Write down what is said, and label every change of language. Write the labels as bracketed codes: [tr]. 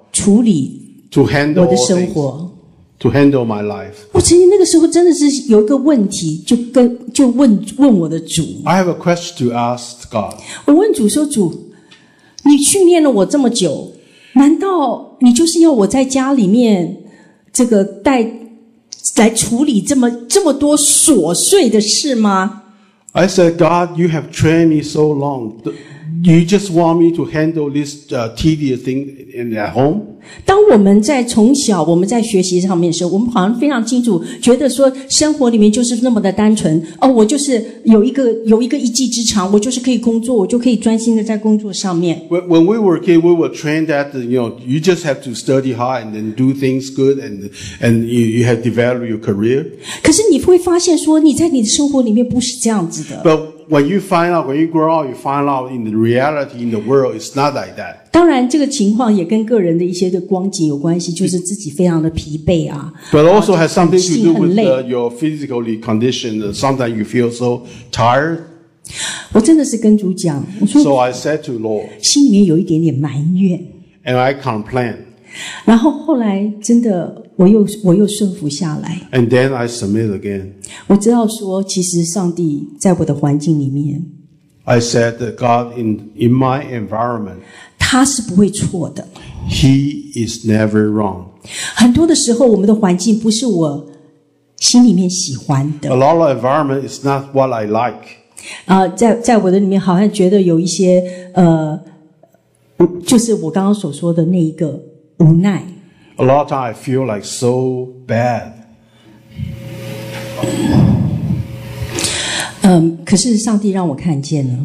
[zh] 处理。 [en] To handle [zh] 我的生活。 [en] To handle my life. [zh] 我曾经那个时候真的是有一个问题，就问我的主。 [en] I have a question to ask God. [zh] 我问主说：“主，你训练了我这么久，难道你就是要我在家里面这个带来处理这么多琐碎的事吗 [en] ？”I said, God, you have trained me so long. You just want me to handle this tedious thing in at home? [zh] 当我们在从小我们在学习上面的时候，我们好像非常清楚，觉得说生活里面就是那么的单纯。哦，我就是有一个一技之长，我就是可以工作，我就可以专心的在工作上面。 [en] When we were kids, we were trained that you know you just have to study hard and then do things good and you have developed your career. [zh] 可是你会发现说你在你的生活里面不是这样子的。 [en] But when you find out, when you grow up, you find out in the reality, in the world, it's not like that. [zh] 当然，这个情况也跟个人的一些的光景有关系，就是自己非常的疲惫啊。 [en] But also has something to do with your physically conditioned. Sometimes you feel so tired. [zh] 我真的是跟主讲，我说 [en] ，So I said to Lord, [zh] 心里面有一点点埋怨 [en] ，and I complain. [zh] 然后后来真的。我又顺服下来。 [en] And then I submit again. [zh] 我知道说，其实上帝在我的环境里面。 [en] I said that God in my environment. [zh] 他是不会错的。 [en] He is never wrong. [zh] 很多的时候，我们的环境不是我心里面喜欢的。 [en] A lot of environment is not what I like. [zh] 在我的里面好像觉得有一些就是我刚刚所说的那一个无奈。 [en] A lot of time I feel like so bad. [zh] 可是上帝让我看见了。